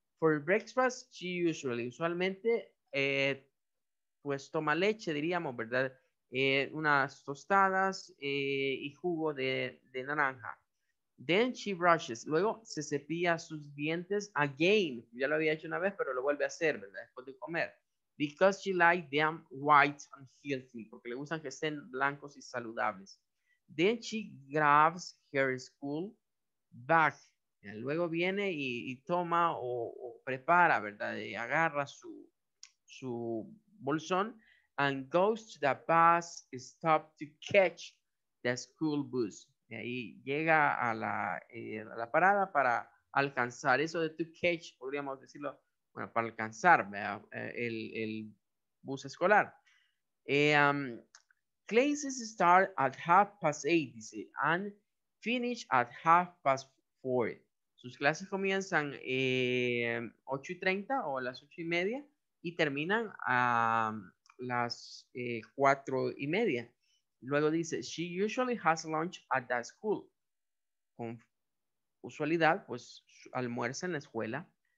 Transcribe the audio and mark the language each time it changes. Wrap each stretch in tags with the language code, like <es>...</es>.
<en>For breakfast, she</en> <es>usualmente, pues toma leche, diríamos, ¿verdad? Unas tostadas y jugo de naranja.</es> <en>Then she brushes.</en> <es>Luego se cepilla sus dientes</es> <en>again.</en> <es>Ya lo había hecho una vez, pero lo vuelve a hacer, ¿verdad? Después de comer.</es> <en>Because she likes them white and healthy.</en> <es>Porque le gustan que estén blancos y saludables.</es> <en>Then she grabs her school bag.</en> <es>Luego viene y toma o prepara, ¿verdad? Y agarra su bolsón.</es> <en>And goes to the bus stop to catch the school bus.</en> <es>Y ahí llega a la parada para alcanzar. Eso de</es> <en>to catch,</en> <es>podríamos decirlo, bueno, para alcanzar el bus escolar.</es> <en>Classes start at 8:30,</en> <es>dice,</es> <en>and finish at 4:30.</en> <es>Sus clases comienzan 8:30 o a las 8:30 y terminan a las 4:30. Luego dice,</es> <en>she usually has lunch at the school.</en> <es>Con usualidad, pues, almuerza en la escuela.</es>